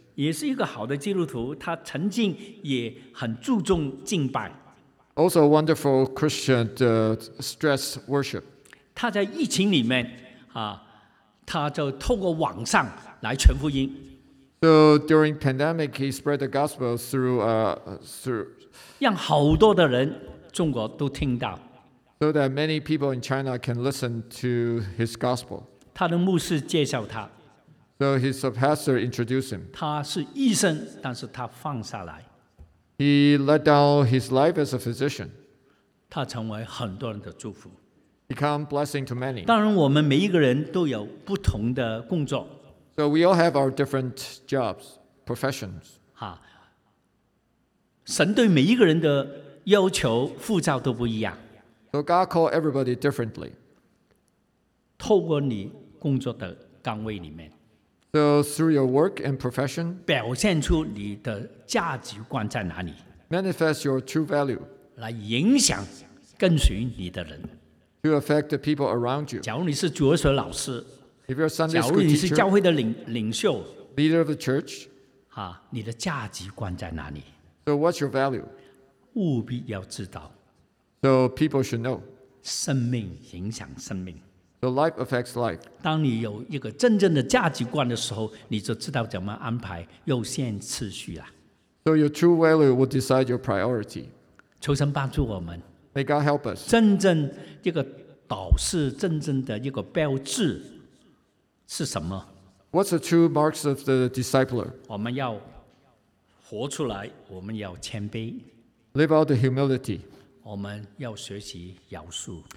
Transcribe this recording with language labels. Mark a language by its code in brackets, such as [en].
[zh] 也是一个好的基督徒，他曾经也很注重敬拜。 [en] Also a wonderful Christian, stress worship. [zh] 他在疫情里面他就透过网上来传福音。 [en] So during pandemic, he spread the gospel through through. [zh] 让好多的人中国都听到。 [en] So that many people in China can listen to his gospel. [zh] 他的牧师介绍他。 [en] So his pastor introduced him. [zh] 他是医生，但是他放下来。 [en] He let down his life as a physician. [zh] 他成为很多人的祝福。 [en] Become blessing to many. [zh] 当然，我们每一个人都有不同的工作。 [en] So we all have our different jobs, professions. [zh] 神对每一个人的要求、护照都不一样。 [en] So God called everybody differently. [zh] 透过你工作的岗位里面。 [en] So through your work and profession. [zh] 表现出你的价值观在哪里。 [en] Manifest your true value. [zh] 来影响跟随你的人。 [en] To affect the people around you. [zh] 假如你是主日学老师。 [en] If you're a Sunday school teacher. [zh] 假如你是教会的领袖。 [en] Leader of the church. [zh] 你的价值观在哪里。 [en] So what's your value? [zh] 务必要知道。 [en] So people should know. [zh] 生命影响生命。 [en] So life affects life. [zh] 当你有一个真正的价值观的时候，你就知道怎么安排优先次序了。 [en] So your true value will decide your priority. [zh] 求神帮助我们。 [en] May God help us. [zh] 真正一个导师，真正的一个标志是什么？ [en] What's the true marks of the discipler? [zh] 我们要活出来，我们要谦卑。 [en] Live out the humility. [zh] 我们要学习饶恕。